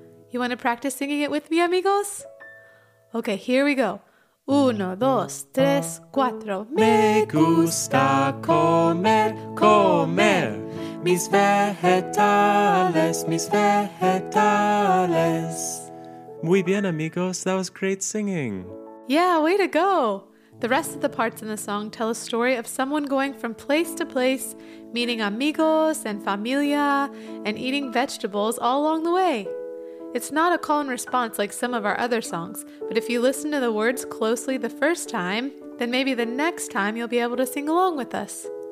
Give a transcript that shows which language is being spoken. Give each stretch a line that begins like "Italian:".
English: You want to practice singing it with me, amigos? Okay, here we go.
Spanish: Uno, dos, tres, cuatro. Me gusta comer, comer mis vegetales, mis vegetales. Muy bien, amigos.
English: That was great singing. Yeah, way to go. The rest of the parts in the song tell a story of someone going from place to place, meeting amigos and familia, and eating vegetables all along the way. It's not a call and response like some of our other songs, but if you listen to the words closely the first time, then maybe the next time you'll be able to sing along with us.